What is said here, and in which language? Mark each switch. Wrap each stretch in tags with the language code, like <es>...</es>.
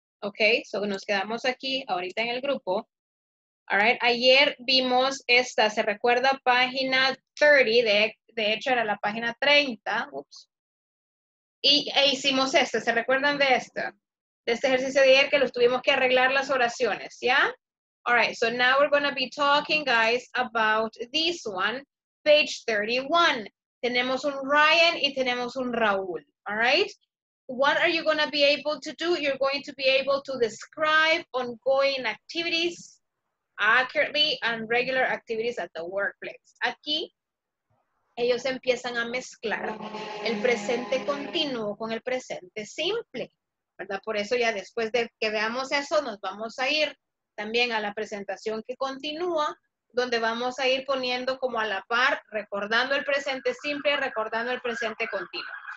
<en>Okay, so</en> <es>nos quedamos aquí ahorita en el grupo.</es> <en>All right,</en> <es>ayer vimos esta. ¿Se recuerda? Página 30. De hecho, era la página 30. Oops. E hicimos esta. ¿Se recuerdan de esta? De este ejercicio de ayer que los tuvimos que arreglar las oraciones, ¿ya?</es> <en>All right, so now we're going to be talking, guys, about this one, page 31.</en> <es>Tenemos un Ryan y tenemos un Raúl,</es> <en>all right? What are you going to be able to do? You're going to be able to describe ongoing activities, accurately and regular activities at the workplace.</en> <es>Aquí ellos empiezan a mezclar el presente continuo con el presente simple, ¿verdad? Por eso ya después de que veamos eso, nos vamos a ir también a la presentación que continúa, donde vamos a ir poniendo como a la par, recordando el presente simple, recordando el presente continuo.</es>